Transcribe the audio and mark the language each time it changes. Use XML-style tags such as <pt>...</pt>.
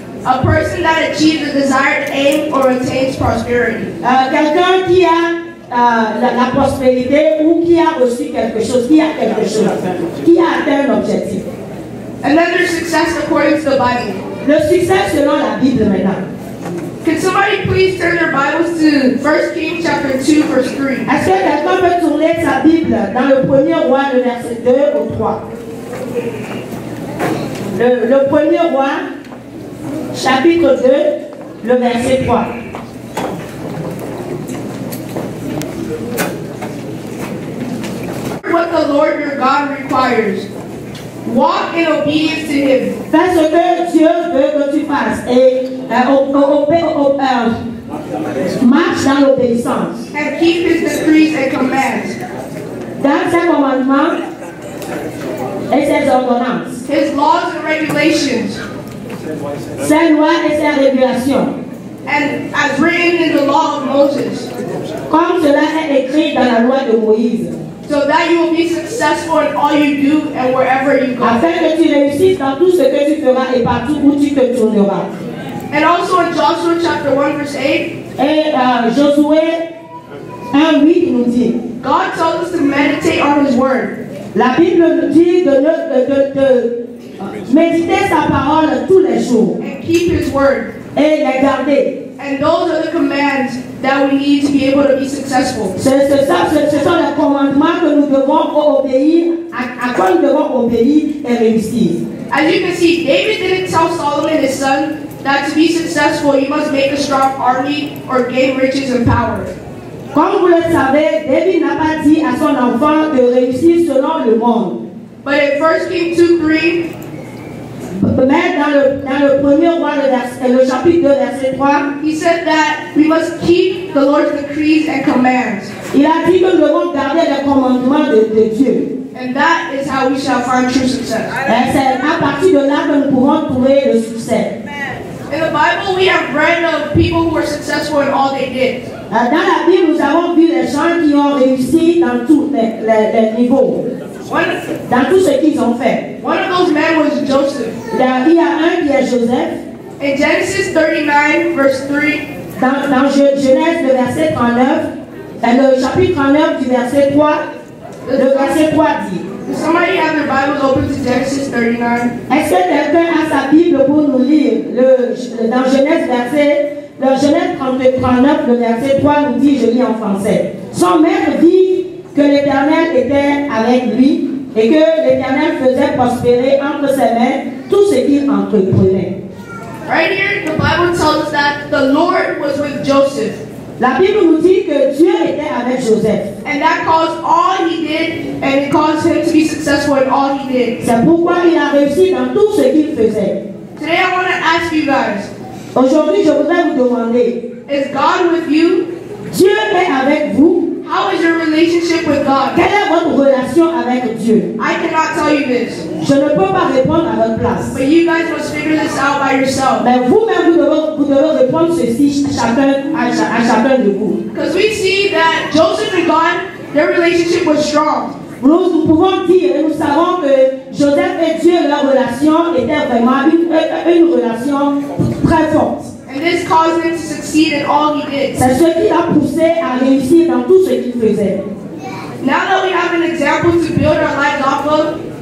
<en>A person that achieves a desired aim or attains prosperity.</en> <fr>Quelqu'un qui a la prospérité ou qui a reçu quelque chose, qui a quelque chose, qui a atteint un objectif.</fr> <en>Another success according to the Bible.</en> <fr>Le succès selon la Bible maintenant.</fr> <en>Can somebody please turn their Bibles to 1 Kings chapter 2 verse 3?</en> <fr>Est-ce que quelqu'un peut tourner sa Bible dans le premier roi, le verset 2 au 3? Le premier roi, chapitre 2, le verset 3.</fr> <en>What the Lord your God requires. Walk in obedience to him.</en> <fr>Fais ce que Dieu veut que tu fasses et marche dans l'obéissance.</fr> <en>And keep his decrees and commands.</en> <fr>Dans ses commandements et ses ordonnances.</fr> <en>His laws and regulations.</en> <fr>Ses lois et ses régulations.</fr> <en>And as written in the law of Moses.</en> <fr>Comme cela est écrit dans la loi de Moïse.</fr> <en>So that you will be successful in all you do and wherever you go.</en> <fr>Afin que tu réussisses dans tout ce que tu feras et partout où tu te tourneras.</fr> <en>And also in Joshua chapter 1 verse 8.</en> <fr>Et Josué 1, 8 nous dit.</fr> <en>God tells us to meditate on his word.</en> <fr>La Bible nous dit de méditer sa parole tous les jours.</fr> <en>And keep his word.</en> <fr>Et la garder.</fr> <en>And those are the commands that we need to be able to be successful.</en> <fr>Ce sont les commandements que nous devons obéir, à quoi nous devons obéir et réussir.</fr> <en>As you can see, David didn't tell Solomon his son that to be successful you must make a strong army or gain riches and power.</en> <fr>Comme vous le savez, David n'a pas dit à son enfant de réussir selon le monde.</fr> <en>But in 1 Kings 2, 3,</en> <fr>mais dans le premier roi, le chapitre 2, verset 3,</fr> <en>he said that we must keep the Lord's decrees and commands.</en> <fr>Il a dit que nous devons garder les commandements de Dieu.</fr> <en>And that is how we shall find true success.</en> <fr>Et c'est à partir de là que nous pouvons trouver le succès.</fr> <en>In the Bible, we have read of people who were successful in all they did.</en> <fr>Dans la Bible, nous avons vu les gens qui ont réussi dans tous les niveaux. Dans tout ce qu'ils ont fait.</fr> <en>One of those men was Joseph.</en> <fr>Il y a un qui est Joseph.</fr> <en>In Genesis 39, verse 3.</en> <fr>Dans Genèse, le verset 39, le chapitre 39 du verset 3, le verset 3 dit.</fr> <en>Does somebody have their Bibles open to Genesis 39?</en> <fr>Est-ce que quelqu'un a sa Bible pour nous lire dans Genèse, Genèse 39, le verset 3 nous dit, je lis en français. Son maître dit que l'Éternel était avec lui et que l'Éternel faisait prospérer entre ses mains tout ce qu'il entreprenait.</fr> <en>Right here, the Bible tells us that the Lord was with Joseph.</en> <fr>La Bible nous dit que Dieu était avec Joseph.</fr> <en>And that caused all he did and it caused him to be successful in all he did.</en> <fr>C'est pourquoi il a réussi dans tout ce qu'il faisait.</fr> <en>Today I want to ask you guys.</en> <fr>Aujourd'hui, je voudrais vous demander.</fr> <en>Is God with you?</en> <fr>Dieu est avec vous.</fr> <en>How is your relationship with God?</en> <fr>Quelle est votre relation avec Dieu?</fr> <en>I cannot tell you this.</en> <fr>Je ne peux pas répondre à votre place.</fr> <en>But you guys must figure this out by yourself.</en> <fr>Mais vous-même, vous devez répondre ceci à chacun de vous.</fr> <en>Because we see that Joseph and God, their relationship was strong.</en> <fr>Nous pouvons dire et nous savons que Joseph et Dieu, leur relation était vraiment une relation très forte.</fr> <en>And this caused him to succeed in all he did.</en> <fr>C'est ce qui l'a poussé à réussir dans tout ce qu'il faisait.</fr> <en>Now that we have an example to build our lives off of,</en>